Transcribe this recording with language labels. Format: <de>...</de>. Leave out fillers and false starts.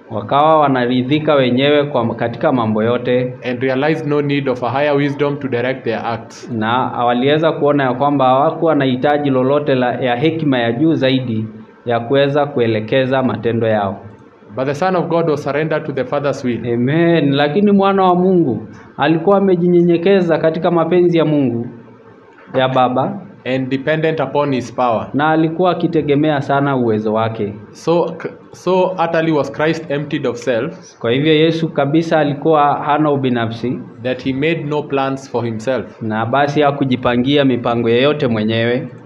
<sw>Wakawa wanaridhika wenyewe kwa katika mambo yote.</sw> <en>And realized no need of a higher wisdom to direct their acts.</en> <sw>Na awalieza kuona ya kwamba hawakuwa wanahitaji lolote ya hekima ya juu zaidi ya kuweza kuelekeza matendo yao.</sw> <en>But the son of God was surrendered to the father's will. Amen.</en> <sw>Lakini mwana wa Mungu alikuwa amejinyenyekeza katika mapenzi ya Mungu ya baba.</sw> <en>And dependent upon his power.</en> <sw>Na alikuwa akitegemea sana uwezo wake.</sw> <en>So utterly was Christ emptied of self.</en> <sw>Kwa hivyo Yesu kabisa alikuwa hana ubinafsi.</sw> <en>That he made no plans for himself.</en> <sw>Na basi hakujipangia mipango yoyote mwenyewe.</sw>